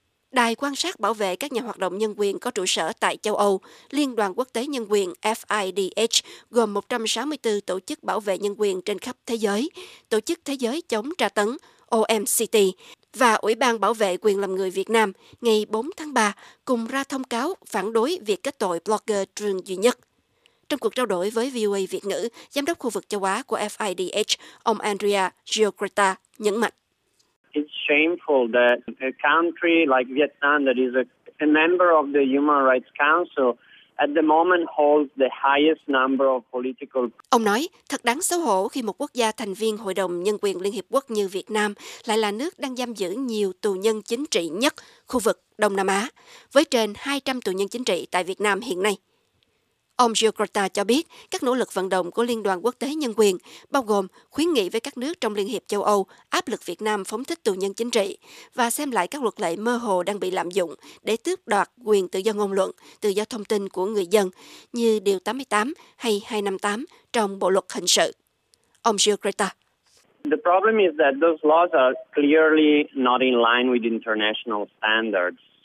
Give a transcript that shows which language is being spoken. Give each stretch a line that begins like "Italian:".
Vietnamese: Đài quan sát bảo vệ các nhà hoạt động nhân quyền có trụ sở tại châu Âu, Liên đoàn Quốc tế Nhân quyền FIDH gồm 164 tổ chức bảo vệ nhân quyền trên khắp thế giới, Tổ chức Thế giới chống tra tấn OMCT và Ủy ban Bảo vệ quyền làm người Việt Nam ngày 4 tháng 3 cùng ra thông cáo phản đối việc kết tội blogger Trương Duy Nhất. Trong cuộc trao đổi với VOA Việt ngữ, Giám đốc khu vực châu Á của FIDH, ông Andrea Giocreta nhấn mạnh.
English: It's shameful that a country like Vietnam that is a member of the Human Rights Council at the moment holds the highest number of political.
Vietnamese: Ông nói, thật đáng xấu hổ khi một quốc gia thành viên Hội đồng Nhân quyền Liên Hiệp Quốc như Việt Nam lại là nước đang giam giữ nhiều tù nhân chính trị nhất khu vực Đông Nam Á, với trên 200 tù nhân chính trị tại Việt Nam hiện nay. Ông Jakarta cho biết các nỗ lực vận động của Liên đoàn Quốc tế Nhân quyền, bao gồm khuyến nghị với các nước trong Liên hiệp châu Âu áp lực Việt Nam phóng thích tù nhân chính trị và xem lại các luật lệ mơ hồ đang bị lạm dụng để tước đoạt quyền tự do ngôn luận, tự do thông tin của người dân như Điều 88 hay 258 trong Bộ Luật Hình sự. Ông Jakarta.
English: The problem is that those laws are clearly not in line with international standards.